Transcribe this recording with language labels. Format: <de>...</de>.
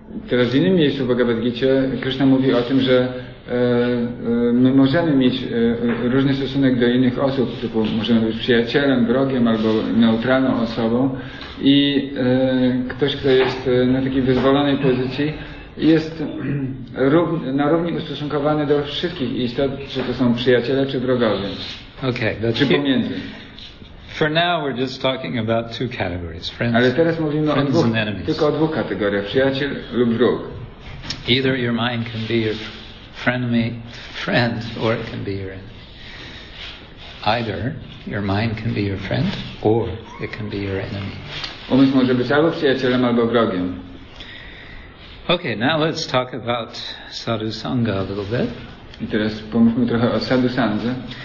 <pl>Teraz w innym miejscu w Bhagavad Gita Krishna mówi o tym, że my możemy mieć różny stosunek do innych osób, typu możemy być przyjacielem, wrogiem albo neutralną osobą i ktoś, kto jest na takiej wyzwolonej pozycji, jest na równi ustosunkowany do wszystkich istot, czy to są przyjaciele, czy wrogowie.</pl> <en>Okay,</en> <pl>czy pomiędzy.</pl> <en>For now we're just talking about two categories, friends.</en> <pl>Ale teraz mówimy o dwóch, tylko o dwóch kategoriach, przyjaciel lub wróg.</pl> <en>Either your mind can be your frenemy, friend, or it can be your enemy. Either your mind can be your friend, or it can be your enemy.</en> <pl>Umysł może być albo przyjacielem, albo wrogiem.</pl> <en>Okay, now let's talk about sadhu sangha a little bit.</en> <pl>I teraz pomówmy trochę o sadhu sangha.</pl>